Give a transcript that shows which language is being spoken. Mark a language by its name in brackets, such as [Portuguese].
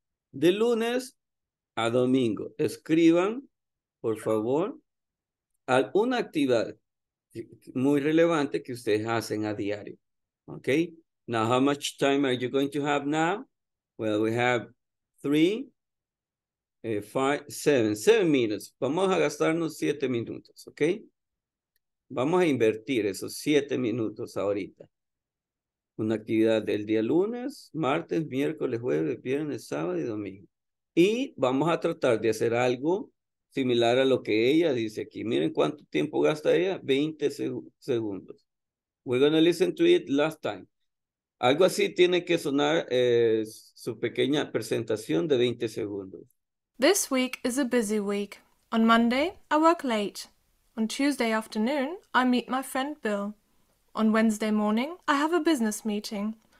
[Spanish] De lunes a domingo, escriban, por favor, alguna actividad muy relevante que ustedes hacen a diario. [English] Okay? Now, how much time are you going to have now? Well, we have 3, 5, 7. 7 minutes. [Spanish] Vamos a gastarnos 7 minutos, okay? Vamos a invertir esos 7 minutos ahorita. Una actividad del día lunes, martes, miércoles, jueves, viernes, sábado y domingo. Y vamos a tratar de hacer algo similar a lo que ella dice aquí. Miren cuánto tiempo gasta ella. 20 segundos. [English] We're going to listen to it last time. [Spanish] Algo así tiene que sonar su pequeña presentación de 20 segundos. [English] This week is a busy week. On Monday, I work late. On Tuesday afternoon, I meet my friend Bill. On Wednesday morning, I have a business meeting.